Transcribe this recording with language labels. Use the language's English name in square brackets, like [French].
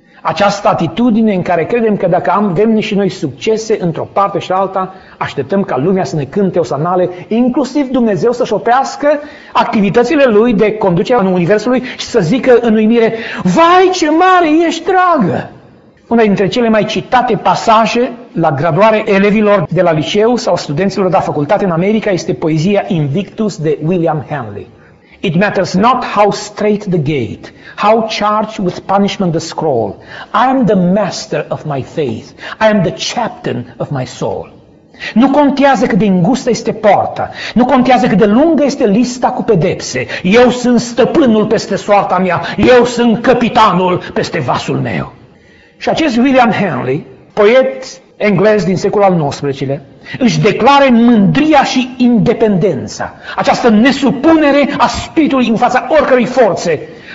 [Romanian] Această atitudine în care credem că dacă avem și noi succese într-o parte și alta, așteptăm ca lumea să ne cânte osanale, inclusiv Dumnezeu să-și oprească activitățile Lui de conducere a Universului și să zică în uimire, vai ce mare ești, dragă! Una dintre cele mai citate pasaje la graduare elevilor de la liceu sau studenților de la facultate în America este poezia Invictus de William Henley. [English] It matters not how straight the gate, how charged with punishment the scroll. I am the master of my faith. I am the chaplain of my soul. [Romanian] Nu contează cât de îngustă este poarta, nu contează cât de lungă este lista cu pedepse. Eu sunt stăpânul peste soarta mea, eu sunt capitanul peste vasul meu. Și acest William Henley, poet englez din secolul al XIX-lea, își declară mândria și independența, această nesupunere a spiritului în fața oricărei forțe.